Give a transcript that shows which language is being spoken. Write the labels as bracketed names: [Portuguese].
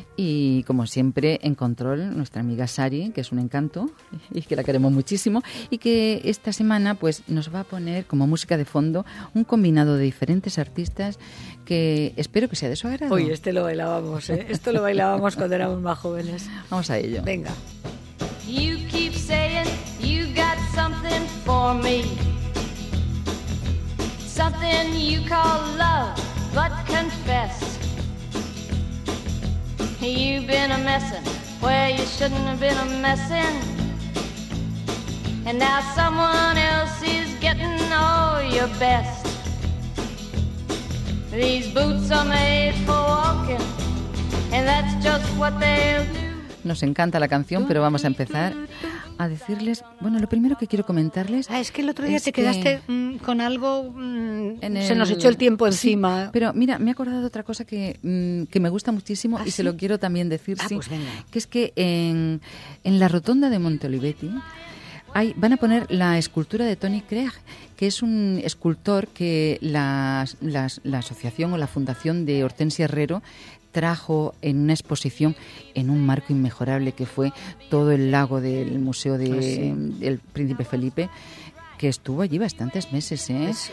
[Spanish] Y como siempre, en control, nuestra amiga Sari, que es un encanto y que la queremos muchísimo. Y que esta semana pues nos va a poner como música de fondo un combinado de diferentes artistas que espero que sea de su agrado. Uy, este lo bailábamos, ¿eh? Esto lo bailábamos cuando éramos más jóvenes. Vamos a ello. Venga. [English] You keep saying you got something for me. Something you call love, but confess. You've been a messin' where you shouldn't have been a messin'. And now someone else is getting all your best. These boots are made for walking, and that's just what they'll do. [Spanish] Nos encanta la canción, pero vamos a empezar a decirles, bueno, lo primero que quiero comentarles... Ah, es que el otro día te quedaste con algo, se nos echó el tiempo encima. Sí, pero mira, me he acordado de otra cosa que me gusta muchísimo y ¿sí? se lo quiero también decir, ah, sí, pues venga. Que es que en la rotonda de Monteoliveti van a poner la escultura de Tony Craig, que es un escultor que la asociación o la fundación de Hortensia Herrero trajo en una exposición en un marco inmejorable que fue todo el lago del Museo de, del Príncipe Felipe, que estuvo allí bastantes meses, ¿eh?